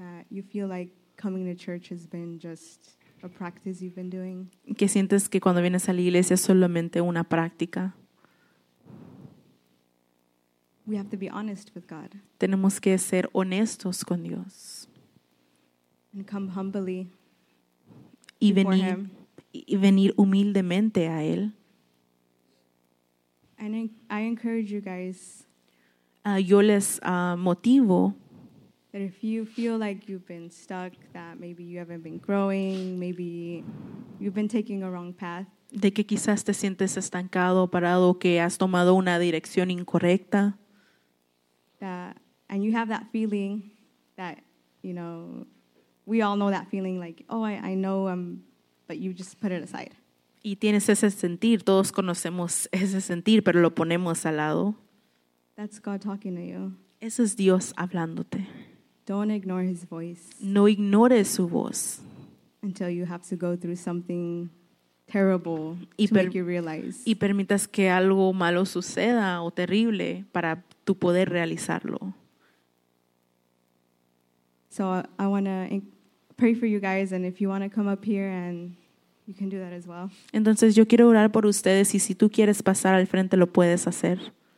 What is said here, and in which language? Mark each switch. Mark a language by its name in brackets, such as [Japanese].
[English] you feel like coming to church has been just a practice you've been doing, [Spanish] que sientes que cuando vienes a la iglesia es solamente una práctica, [English] we have to be honest with God. [Spanish] Tenemos que ser honestos con Dios. [English] And come humbly [Spanish] y venir [English] before him. [Spanish] Y venir humildemente a él. [English] And I encourage you guys. [Spanish] Yo les motivo. [English] That if you feel like you've been stuck, that maybe you haven't been growing, maybe you've been taking a wrong path. [Spanish] De que quizás te sientes estancado, parado, que has tomado una dirección incorrecta. [English] And you have that feeling that, you know, we all know that feeling like, oh, I know I'm. But you just put it aside. [Spanish] Y tienes ese sentir, todos conocemos ese sentir, pero lo ponemos al lado. [English] That's God talking to you. [Spanish] Eso es Dios hablándote. [English] Don't ignore his voice. [Spanish] No ignores su voz. [English] Until you have to go through something terrible to make you realize. [Spanish] Y permitas que algo malo suceda o terrible para tú poder realizarlo. [English] So I want to pray for you guys, and if you want to come up here, and you can do that as well. [Spanish] Entonces, yo quiero orar por ustedes, y si tú quieres pasar al frente, lo puedes hacer.